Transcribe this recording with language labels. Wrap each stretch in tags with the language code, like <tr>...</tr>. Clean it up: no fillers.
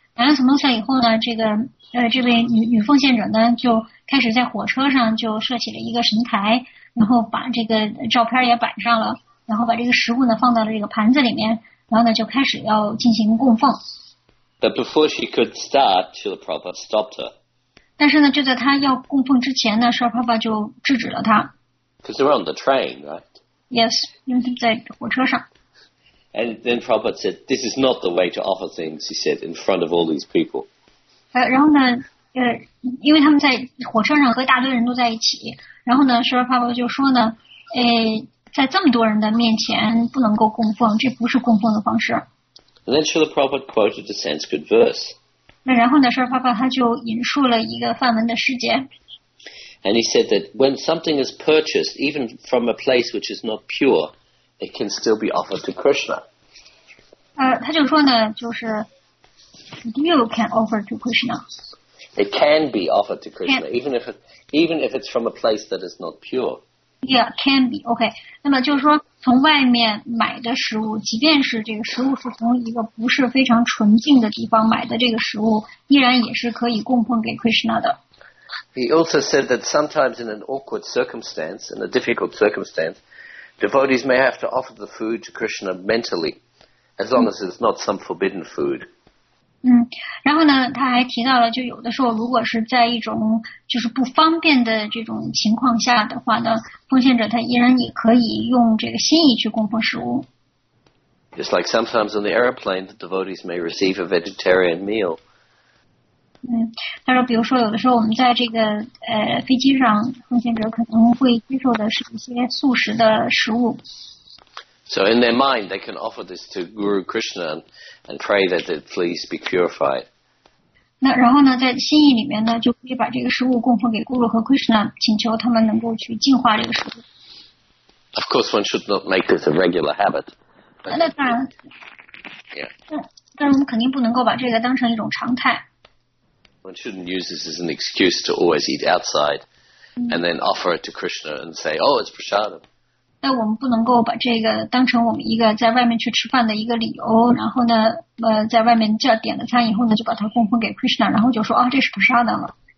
<zh>买了 Somoza 以后呢，这个这位女奉献者呢，就开始在火车上就设起了一个神台，然后把这个照片也摆上了，然后把这个食物呢放到了这个盘子里面，然后呢就开始要进行供奉。</zh> <en>But before she could start, Srila Prabhupada stopped her.</en> <zh>但是呢，就在她要供奉之前呢，Srila Prabhupada就制止了她。</zh> <en>Because they were on the train, right? Yes,</en> <zh>因为他们在火车上。</zh> <en>And then Prabhupada said, "This is not the way to offer things," he said, in front of all these people.</en> <zh>然后呢，因为他们在火车上和大堆人都在一起，然后呢，Srila Prabhupada就说呢，在这么多人的面前不能够供奉，这不是供奉的方式。</zh> <en>And then Srila Prabhupada quoted the Sanskrit verse.</en> <zh>那然后呢，Srila Prabhupada他就引述了一个梵文的诗节。</zh> <en>And he said that when something is purchased, even from a place which is not pure, it can still be offered to Krishna.</en> <zh>他就说呢，就是</zh> <en>you can offer to Krishna. It can be offered to Krishna, even if it's from a place that is not pure. Yeah, can be. OK.</en> <zh>那么就是说，从外面买的食物，即便是这个食物是从一个不是非常纯净的地方买的这个食物，依然也是可以供奉给 Krishna 的。</zh> <en>He also said that sometimes in an awkward circumstance, in a difficult circumstance, devotees may have to offer the food to Krishna mentally, as long as it's not some forbidden food.</en> <zh>然后呢，他还提到了，就有的时候如果是在一种就是不方便的这种情况下的话呢，奉献者他依然也可以用这个心意去供奉食物。</zh> <en>Just like sometimes on the airplane, the devotees may receive a vegetarian meal.</en> <zh>他说，比如说有的时候我们在这个飞机上，奉献者可能会接受的是一些素食的食物。</zh> <en>So in their mind, they can offer this to Guru Krishna and pray that the fleas be purified.</en> <zh>那然后呢，在心意里面呢，就可以把这个食物供奉给 Guru 和 Krishna， 请求他们能够去净化这个食物。</zh> <en>Of course, one should not make this a regular habit.</en> <zh>那当然。</zh> <en>Yeah.</en> <zh>但我们肯定不能够把这个当成一种常态。</zh> <en>One shouldn't use this as an excuse to always eat outside, and then offer it to Krishna and say, "Oh, it's prasadam."</en> <zh>那我们不能够把这个当成我们一个在外面去吃饭的一个理由，然后呢，在外面叫点了餐以后呢，就把它供奉给 Krishna， 然后就说啊，这是prasadam了。</zh>